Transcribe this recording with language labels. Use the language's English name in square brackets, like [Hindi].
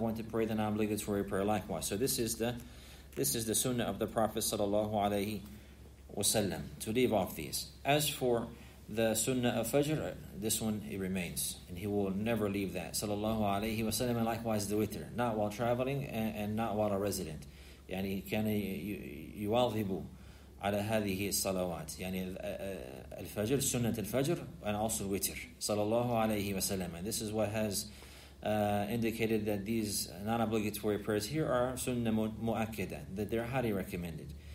[English] So this is the sunnah of the Prophet sallallahu alaihi wasallam to leave off these. As for the sunnah of Fajr, this one, it remains. And he will never leave that. Sallallahu alayhi wa sallam, and likewise the witr. Not while traveling and not while a resident. [Arabic] يعني كان يواظب على هذه الصلوات. يعني الفجر, سنة الفجر, [English] and also witr. [Arabic] Sallallahu alayhi wa sallam. [English] And this is what has indicated that these non-obligatory prayers here are sunnah mu'akkada. That they're highly recommended.